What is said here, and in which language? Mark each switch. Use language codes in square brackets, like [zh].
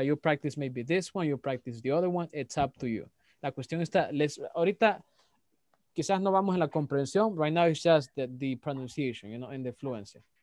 [en] You practice maybe this one, you practice the other one. It's up to you. [es] La cuestión está, ahorita quizás no vamos en la comprensión. [en] Right now it's just the pronunciation, you know, and the fluency.